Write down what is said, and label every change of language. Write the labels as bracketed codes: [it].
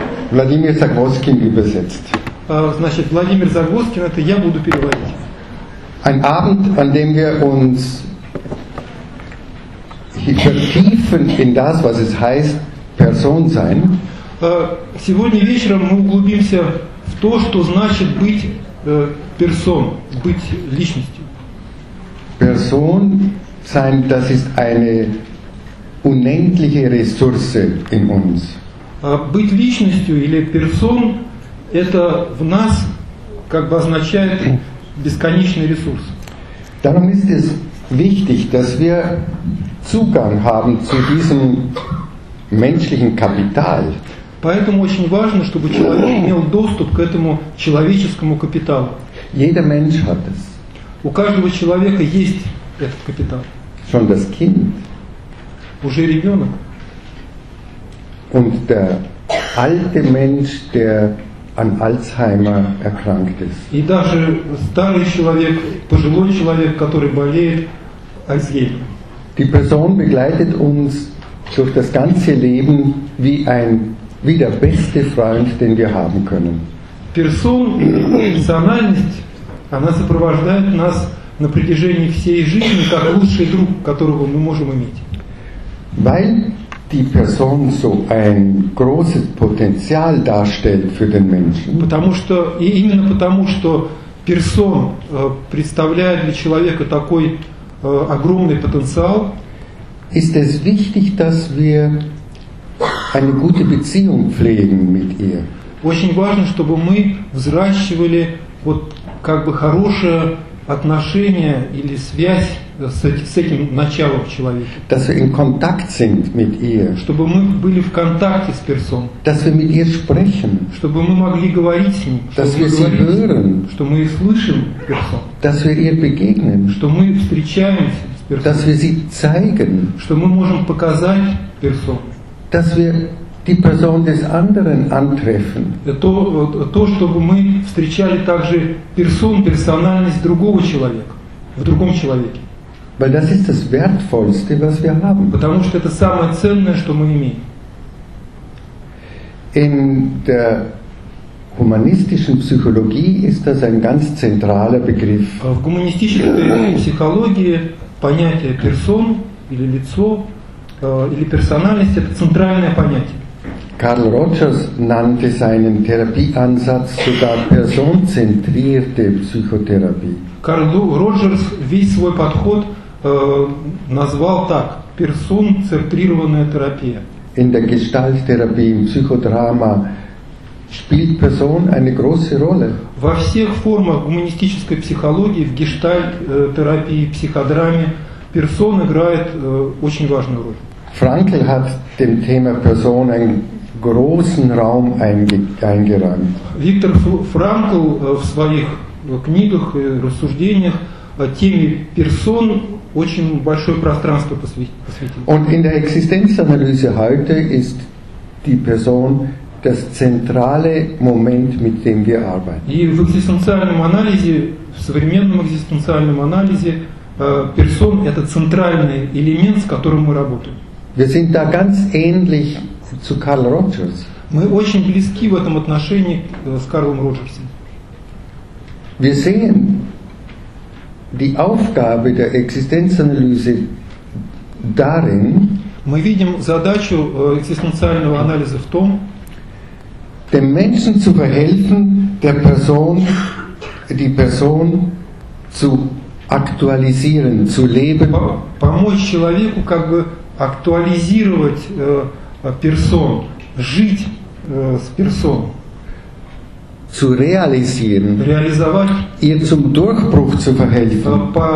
[de] Владимир Загвоздкин übersetzt. [ru] Значит, Владимир Загвоздкин, это я буду переводить. [de] Ein Abend, an dem wir uns vertiefen in das, was es heißt, Person sein. [ru] Сегодня вечером мы углубимся в то, что значит быть персон, быть личностью. [de] Person sein, das ist eine unendliche Ressource in uns. [ru] Быть личностью или персон, это в нас как бы означает бесконечный ресурс. [de] Darum ist es wichtig, dass wir Zugang haben zu diesem menschlichen Kapital. [ru] Поэтому очень важно, чтобы человек имел доступ к этому человеческому капиталу. [de] Jeder Mensch hat es. [ru] У каждого человека есть этот капитал. [de] Schon das Kind. [ru] Уже ребенок. [de] Und der alte Mensch, der an Alzheimer erkrankt ist. [ru] И даже старый человек, пожилой человек, который болеет Альцгеймером. [de] Die Person begleitet uns durch das ganze Leben wie ein wie der beste Freund, den wir haben können. [ru] Person, Персональность, она сопровождает нас на протяжении всей жизни как лучший друг, которого мы можем иметь. [de] Weil die Person so ein großes Potenzial darstellt für den Menschen. [ru] Потому что и именно потому, что Person представляет для человека такой огромный потенциал. [de] Ist es wichtig, dass wir eine gute Beziehung pflegen mit ihr. [ru] Очень важно, чтобы мы взращивали вот как бы хорошее отношение или связь с этим началом человека. [de] Dass wir in Kontakt sind mit ihr. [ru] Чтобы мы были в контакте с персоной. [de] Dass wir mit ihr sprechen. [ru] Чтобы мы могли говорить с ней. [de] Dass wir sie hören. [ru] Что мы слышим персону. [de] Dass wir ihr begegnen. [ru] Что мы встречаемся с персоной. [de] Dass wir sie zeigen. [ru] Что мы можем показать персону. [de] Dass wir die Person des anderen antreffen. [ru] То, чтобы мы встречали также персональность другого человека, в другом человеке. [de] Weil das ist das Wertvollste, was wir haben. [ru] Потому что это самое ценное, что мы имеем. [de] In der humanistischen Psychologie ist das ein ganz zentraler Begriff. [ru] В гуманистической психологии понятие персон или лицо или персональность – это центральное понятие. [de] Карл Роджерс nannte seinen Therapieansatz sogar personzentrierte Psychotherapie. [ru] Карл Роджерс весь свой подход назвал так – персонцентрированная терапия. [de] In der Gestalttherapie, im Psychodrama, spielt Person eine große Rolle. [ru] Во всех формах гуманистической психологии, в гештальттерапии, психодраме, персон играет очень важную роль. [de] Frankl hat dem Thema Person einen großen Raum eingeräumt. [ru] Viktor Frankl в своих книгах и рассуждениях теме Person очень большое пространство посвятил. [de] Und in der Existenzanalyse heute ist die Person das zentrale Moment, mit dem wir arbeiten. [ru] И в экзистенциальном анализе, в современном экзистенциальном анализе Person это центральный элемент, с которым мы работаем. [de] Wir sind da ganz ähnlich zu Carl Rogers. [ru] Мы очень близки в этом отношении с Карлом Роджерсом. [de] Wir sehen die Aufgabe der Existenzanalyse darin. [ru] Мы видим задачу экзистенциального анализа в том, [de] dem Menschen zu verhelfen, der Person, die Person zu aktualisieren, zu leben. [ru] Помочь человеку как бы актуализировать персон, жить с персон. [de] Zu realisieren. [ru] Реализовать. [de] Ihr zum Durchbruch zu verhelfen.